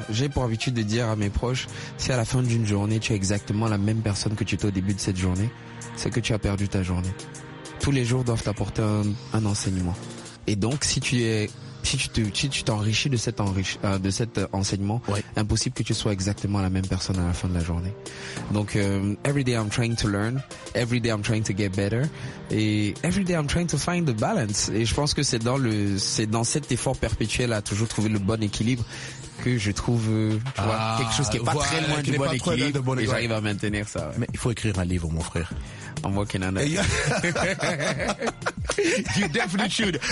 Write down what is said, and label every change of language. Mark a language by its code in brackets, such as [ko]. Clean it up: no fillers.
[fr] J'ai pour habitude de dire à mes proches, si à la fin d'une journée, tu es exactement la même personne que tu étais au début de cette journée, c'est que tu as perdu ta journée. Tous les jours doivent t'apporter un enseignement. Et donc si tu t'enrichis de cet enseignement, ouais. Impossible que tu sois exactement la même personne à la fin de la journée. Donc [en] every day I'm trying to learn, every day I'm trying to get better, [fr] et [en] every day I'm trying to find the balance. [fr] Et je pense que c'est dans cet effort perpétuel à toujours trouver le bon équilibre que je trouve quelque chose qui est pas très loin du bon équilibre. Et j'arrive à maintenir ça. Ouais. Mais il faut écrire un livre, mon frère. [en] I'm working on that. You definitely should.